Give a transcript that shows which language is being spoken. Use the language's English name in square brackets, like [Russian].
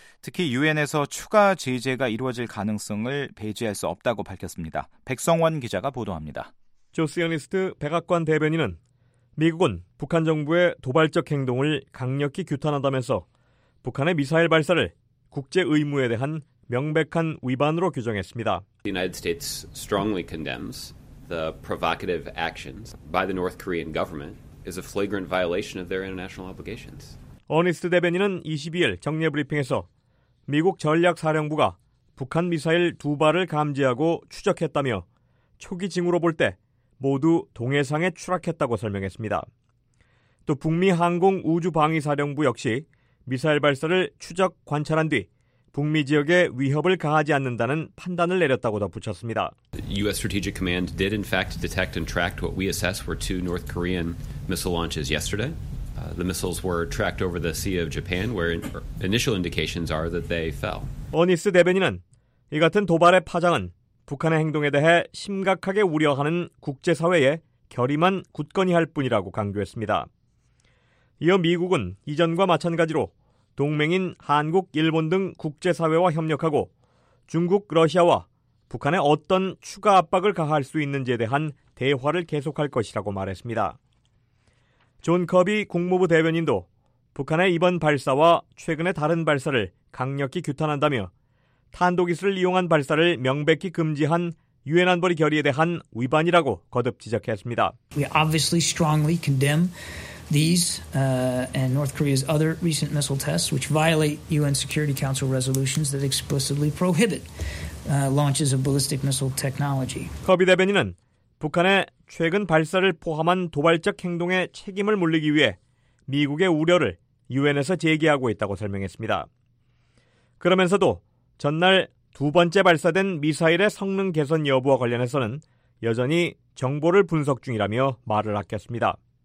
[Korean] 특히 유엔에서 추가 제재가 이루어질 가능성을 배제할 수 없다고 밝혔습니다. 백성원 기자가 보도합니다. 조스연리스트 백악관 대변인은 미국은 북한 정부의 도발적 행동을 강력히 규탄한다면서 북한의 미사일 발사를 국제 의무에 대한 명백한 위반으로 규정했습니다. [English] The United States strongly condemns the provocative actions by the North Korean government is a flagrant violation of their international obligations. [Korean] 어니스트 대변인은 22일 정례 브리핑에서 미국 전략사령부가 북한 미사일 두 발을 감지하고 추적했다며 초기 징후로 볼 때 모두 동해상에 추락했다고 설명했습니다. 또 북미 항공우주방위사령부 역시 미사일 발사를 추적 관찰한 뒤 북미 지역에 위협을 가하지 않는다는 판단을 내렸다고 덧붙였습니다. [English] U.S. Strategic Command did in fact detect and tracked what we assess were two North Korean missile launches yesterday. The missiles were tracked over the Sea of Japan, where initial indications are that they fell. [Korean] 어니스 대변인은 이 같은 도발의 파장은 북한의 행동에 대해 심각하게 우려하는 국제사회의 결의만 굳건히 할 뿐이라고 강조했습니다. 이어 미국은 이전과 마찬가지로 동맹인 한국, 일본 등 국제사회와 협력하고 중국, 러시아와 북한의 어떤 추가 압박을 가할 수 있는지에 대한 대화를 계속할 것이라고 말했습니다. 존 커비 국무부 대변인도 북한의 이번 발사와 최근의 다른 발사를 강력히 규탄한다며 탄도기술을 이용한 발사를 명백히 금지한 유엔 안보리 결의에 대한 위반이라고 거듭 지적했습니다. We obviously strongly condemn these and North Korea's other recent missile tests which violate UN Security Council resolutions that explicitly prohibit launches of ballistic missile technology. 커비 대변인은 북한의 최근 발사를 포함한 도발적 행동에 책임을 물리기 위해 미국의 우려를 유엔에서 제기하고 있다고 설명했습니다. 그러면서도 전날 두 번째 발사된 미사일의 성능 개선 여부와 관련해서는 여전히 정보를 분석 중이라며 말을 아꼈습니다.